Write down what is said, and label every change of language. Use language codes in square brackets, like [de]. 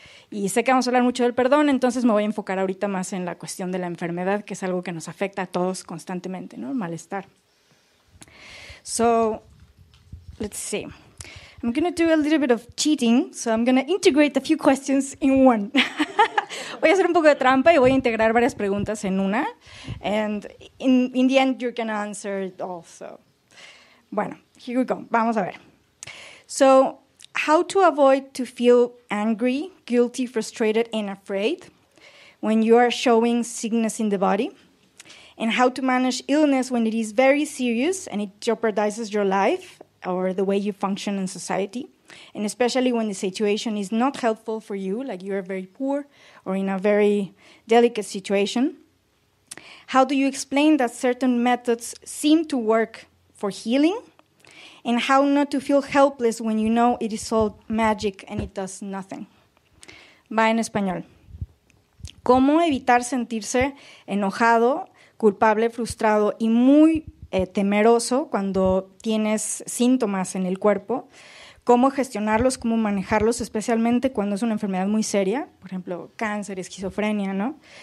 [es] Y sé que vamos a hablar mucho del perdón, entonces me voy a enfocar ahorita más en la cuestión de la enfermedad, que es algo que nos afecta a todos constantemente, ¿no? Malestar. [en] So, let's see. I'm going to do a little bit of cheating, so I'm going to integrate a few questions in one. [es] Voy a hacer un poco de trampa y voy a integrar varias preguntas en una. [en] And in the end, you're going to answer it all, so. Bueno, here we go. [es] Vamos a ver. [en] So, how to avoid to feel angry, guilty, frustrated, and afraid when you are showing sickness in the body? And how to manage illness when it is very serious and it jeopardizes your life or the way you function in society, and especially when the situation is not helpful for you, like you are very poor or in a very delicate situation? How do you explain that certain methods seem to work for healing? And how not to feel helpless when you know it is all magic and it does nothing? [es] Va en español. ¿Cómo evitar sentirse enojado, culpable, frustrado y muy temeroso cuando tienes síntomas en el cuerpo? ¿Cómo gestionarlos, cómo manejarlos, especialmente cuando es una enfermedad muy seria, por ejemplo, cáncer, esquizofrenia, ¿no?